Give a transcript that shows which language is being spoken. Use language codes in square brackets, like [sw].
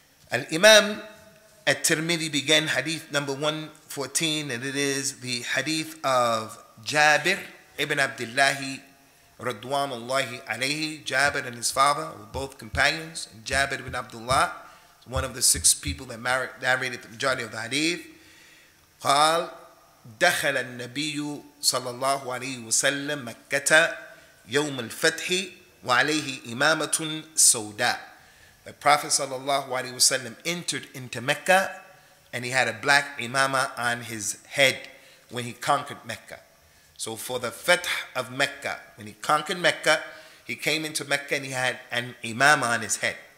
[en] Al-Imam At-Tirmidhi began hadith number 114, and it is the hadith of Jabir ibn Abdullah radwanullahi alayhi. Jabir and his father were both companions, and Jabir ibn Abdullah, one of the six people that narrated the majority of the hadith, [ar] قال دخل النبي صلى الله عليه وسلم مكة يوم الفتح وعليه إمامة سوداء. [en] The Prophet [ar] صلى الله عليه وسلم [en] entered into Mecca and he had a black imama on his head when he conquered Mecca. So for the fatḥ of Mecca, when he conquered Mecca, he came into Mecca and he had an imama on his head.